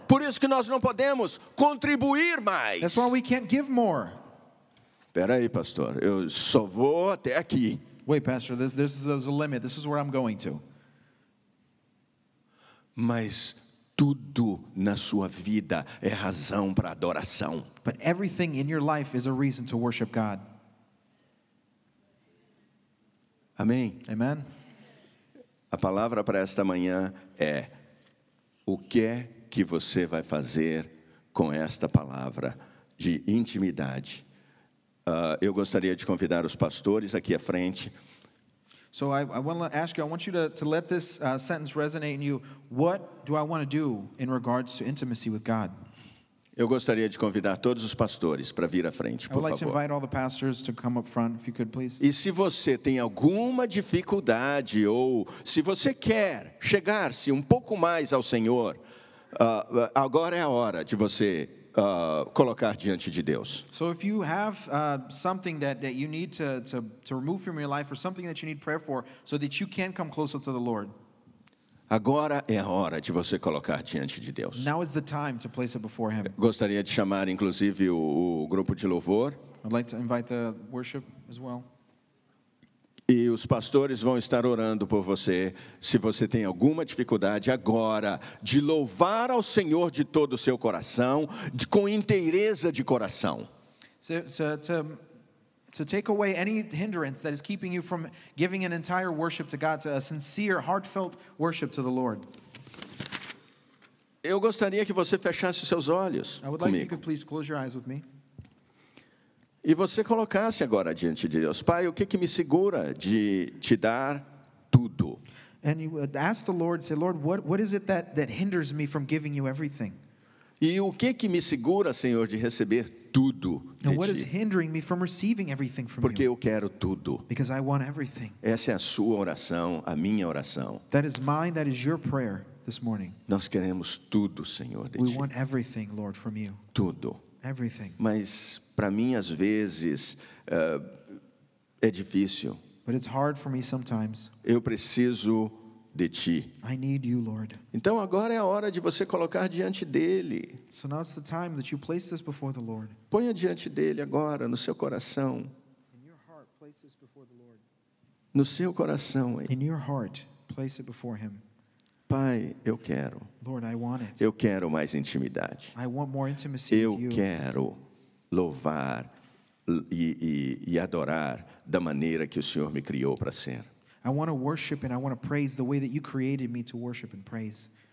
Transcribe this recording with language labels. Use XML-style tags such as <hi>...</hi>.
<pt>Por isso que nós não podemos contribuir mais.</pt> <en>That's why we can't give more.</en> <pt>Espera aí, pastor. Eu só vou até aqui.</pt> <en>Wait, pastor. This is a limit. This is where I'm going to.</en> <pt>Mas tudo na sua vida é razão para adoração.</pt> <en>But everything in your life is a reason to worship God.</en> <pt>Amém.</pt> <en>Amen.</en> <pt>A palavra para esta manhã é: o que é que você vai fazer com esta palavra de intimidade? Eu gostaria de convidar os pastores aqui à frente.</pt> <en>So I want to ask you, I want you to let this sentence resonate in you. What do I want to do in regards to intimacy with God?</en> <pt>Eu gostaria de convidar todos os pastores para vir à frente, por favor.</pt> <en>Invite all the pastors to come up front, if you could, please.</en> <pt>E se você tem alguma dificuldade ou se você quer chegar-se um pouco mais ao Senhor, agora é a hora de você colocar diante de Deus.</pt> <en>So if you have something that you need to remove from your life or something that you need prayer for so that you can come closer to the Lord.</en> <pt>Agora é a hora de você colocar diante de Deus.</pt> <en>Now is the time to place it before him.</en> <pt>Gostaria de chamar inclusive o grupo de louvor.</pt> <en>I'd like to invite the worship as well.</en> <pt>E os pastores vão estar orando por você, se você tem alguma dificuldade agora de louvar ao Senhor de todo o seu coração, com inteireza de coração.</pt> <en>To take away any hindrance that is keeping you from giving an entire worship to God, a sincere, heartfelt worship to the Lord.</en> <pt>Eu gostaria que você fechasse seus olhos comigo.</pt> <en>I would like if you could please close your eyes with me.</en> <pt>E você colocasse agora diante de Deus, Pai, o que que me segura de te dar tudo?</pt> <en>And you would ask the Lord, say, Lord, what is it that hinders me from giving you everything?</en> <pt>E o que que me segura, Senhor, de receber tudo de ti?</pt> <en>And what is hindering me from receiving everything from you?</en> <pt>Porque eu quero tudo.</pt> <en>Because I want everything.</en> <pt>Essa é a sua oração, a minha oração.</pt> <en>That is mine, that is your prayer this morning.</en> <pt>Nós queremos tudo, Senhor, de ti.</pt> <en>We want everything, Lord, from you.</en> <pt>Tudo.</pt> <en>Everything.</en> <pt>Mas para mim às vezes é difícil.</pt> <en>But it's hard for me sometimes.</en> <pt>Eu preciso de ti.</pt> <en>I need you, Lord.</en> <pt>Então agora é a hora de você colocar diante dele.</pt> <en>So now's the time that you place this before the Lord.</en> <pt>Ponha diante dele agora no seu coração.</pt> <en>In your heart, place this before the Lord.</en> <pt>No seu coração.</pt> <en>In your heart, place it before him.</en> <pt>Pai, eu quero.</pt> <en>Lord, I want it.</en> <pt>Eu quero mais intimidade.</pt> <en>I want more intimacy</en> <pt>eu</pt> <en>with you.</en> <pt>Quero louvar e adorar da maneira que o Senhor me criou para ser.</pt> <en>I want to worship and I want to praise the way that you created me to worship and praise.</en>